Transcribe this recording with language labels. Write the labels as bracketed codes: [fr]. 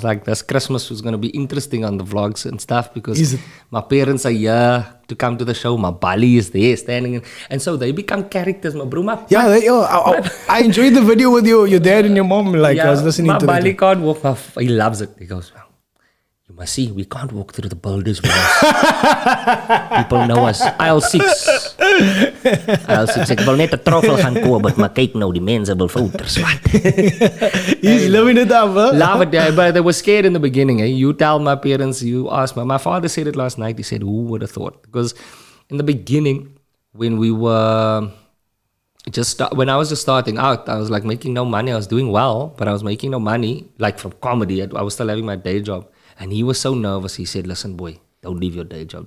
[en] Like, this Christmas was going to be interesting on the vlogs and stuff because my parents are here to come to the show. My Bali is there standing. And so they become characters. My bro, I enjoyed the video with your dad and your mom. Like, yeah, I was listening to it. My Bali can't walk. He loves it. He goes, well, you must see, we can't walk through the boulders. People know us. Aisle 6. [af] Ek wil net 'n truffel gaan koop, maar kyk nou die mense wil foto's wat. [en] He's living it up, huh? Love it, yeah, but they were scared in the beginning. Eh? You tell my parents, you ask me. My father said it last night. He said, who would have thought? Because in the beginning, when we were just starting out, I was like making no money. I was doing well, but I was making no money, like from comedy. I was still having my day job. And he was so nervous. He said, listen, boy. Don't leave your day job.